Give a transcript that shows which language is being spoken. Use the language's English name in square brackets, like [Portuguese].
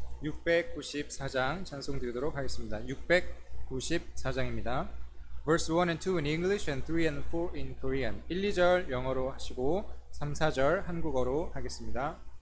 [Korean] 694장 찬송 드리도록 하겠습니다. 694장입니다. [English] Verse 1 and 2 in English and 3 and 4 in Korean. [Korean] 1, 2절 영어로 하시고 3, 4절 한국어로 하겠습니다.